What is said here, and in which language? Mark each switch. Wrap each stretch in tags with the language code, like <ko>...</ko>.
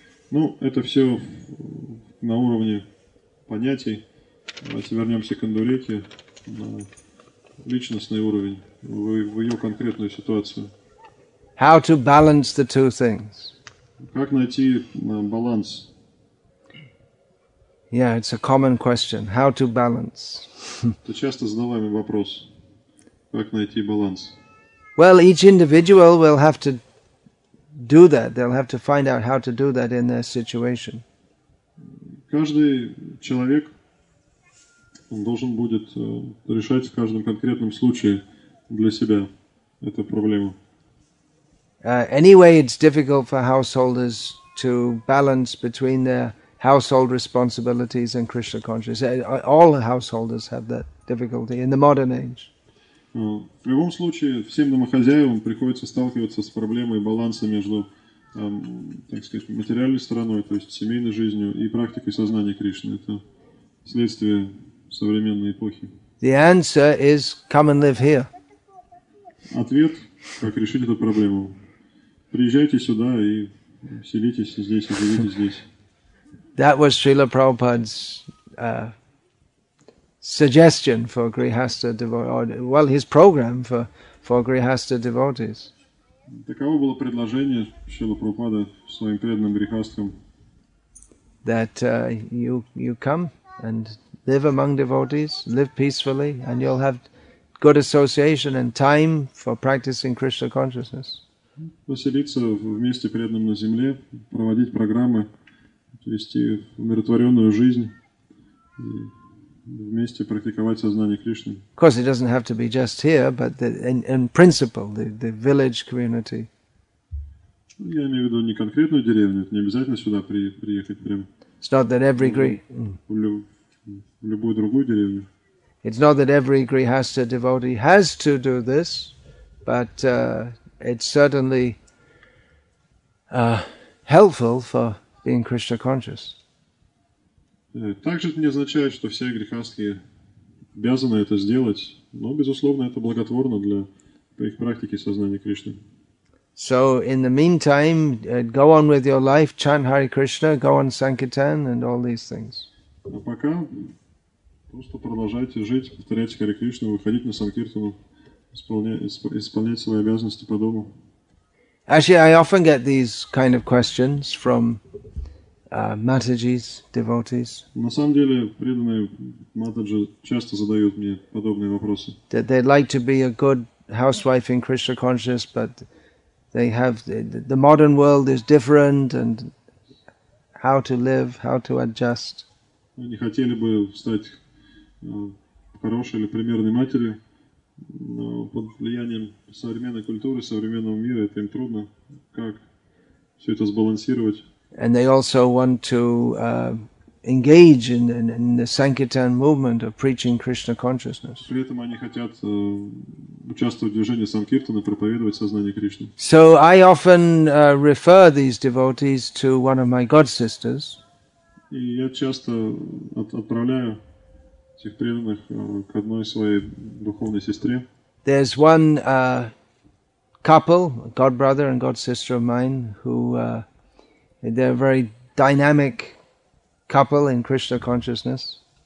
<ru>Ну, это все на уровне понятий. Давайте вернемся к Индуреке на личностный уровень, в ее конкретную ситуацию.</ru> <en>How to balance the two things?</en> <ru>Как найти баланс?</ru> <en>Yeah, it's a common question. How to balance?</en> <ru>Это часто задаваемый вопрос. Как найти баланс?</ru> <en>Well, each individual will have to do that. They'll have to find out how to do that in their situation.</en> <ru>Каждый человек должен будет решать в каждом конкретном случае для себя эту проблему.</ru> <en>Anyway, it's difficult for householders to balance between their household responsibilities and Krishna consciousness. All householders have that difficulty in the modern age.</en> <ru>В любом случае, всем домохозяевам приходится сталкиваться с проблемой баланса между, так сказать, материальной стороной, то есть семейной жизнью, и практикой сознания Кришны. Это следствие современной эпохи.</ru> <en>The answer is come and live here.</en> <ru>Ответ, как решить эту проблему. Приезжайте сюда и селитесь здесь, и живите здесь.</ru> <en>That was Srila Prabhupada's suggestion for Grihastha devotees. Well, his program for Grihastha devotees.</en> <ru>Таково было предложение Шрила Прабхупады своим преданным грихастхам.</ru> <en>That you come and live among devotees, live peacefully, and you'll have good association and time for practicing Krishna consciousness.</en> <ru>Поселиться вместе преданным на земле, проводить программы, вести умиротворенную жизнь, вместе практиковать сознание Кришны.</ru> <en>Of course, it doesn't have to be just here, but in principle, the village community.</en> <ru>Я имею в виду не конкретную деревню, не обязательно сюда приехать прямо.</ru> <en>It's not that every Greek.</en> <ru>В любую другую деревню.</ru> <en>It's not that every Grihastha devotee has to do this, but it's certainly helpful for being Krishna conscious.</en> <ru>Также это не означает, что все грехастхи обязаны это сделать, но безусловно это благотворно для их практики сознания Кришны.</ru> <en>So in the meantime, go on with your life, chant Hare Krishna, go on Sankirtan and all these things.</en> <ru>А пока просто продолжайте жить, повторяйте Харе Кришну, выходить на Санкиртану, исполнять свои обязанности по дому.</ru> <en>Actually, I often get these kind of questions from Mataji's devotees.</en> <ru>На самом деле, преданные Матаджи часто задают мне подобные вопросы.</ru> <en>That they'd like to be a good housewife in Krishna consciousness, but they have the modern world is different, and how to live, how to adjust.</en> <ru>Они хотели бы стать хорошей или примерной матерью, но под влиянием современной культуры, современного мира, это им трудно. Как все это сбалансировать?</ru> <en>And they also want to engage in the Sankirtan movement of preaching Krishna consciousness.</en> <ru>При этом они хотят участвовать в движении Санкиртаны, проповедовать сознание Кришны.</ru> <en>So I often refer these devotees to one of my god sisters.</en> <ru>И я часто отправляю этих преданных к одной своей духовной сестре.</ru> <en>There's one couple, god brother and god sister of mine, who they're very dynamic couple in Krishna consciousness.</en>